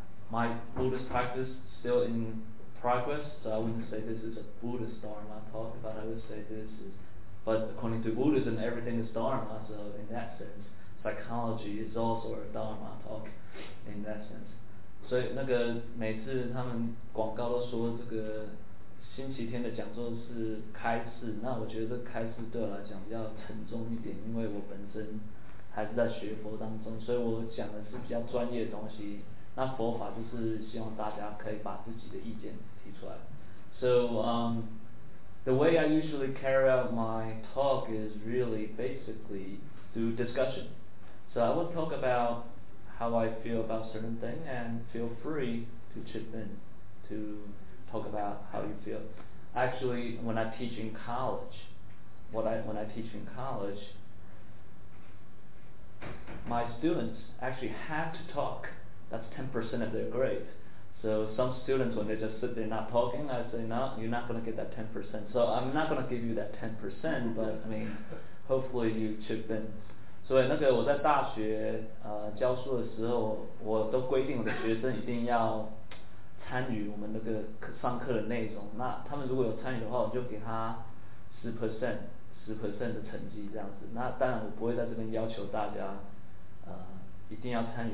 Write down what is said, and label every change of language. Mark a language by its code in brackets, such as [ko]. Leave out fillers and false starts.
[en] My Buddhist practice is still in progress, so I wouldn't say this is a Buddhist Dharma talk, but I would say this is... But according to Buddhism, everything is Dharma, so in that sense, psychology is also a Dharma talk, in that sense. [zh] 所以那个每次他们广告都说这个星期天的讲座是开示，那我觉得这开示对我来讲比较沉重一点，因为我本身还是在学佛当中，所以我讲的是比较专业的东西。那佛法就是希望大家可以把自己的意见提出来。 [en] So, the way I usually carry out my talk is really basically through discussion. So I will talk about how I feel about certain thing and feel free to chip in to talk about how you feel. Actually, when I teach in college, my students actually have to talk. That's 10% of their grade. So some students, when they just sit there not talking, I say, no, you're not going to get that 10%. So I'm not going to give you that 10%, but I mean, hopefully you chip in. [zh] 所以那个我在大学教书的时候，我都规定我的学生一定要参与我们那个上课的内容。那他们如果有参与的话，我就给他 10%。10% 的成绩这样子，那当然我不会在这边要求大家，一定要参与。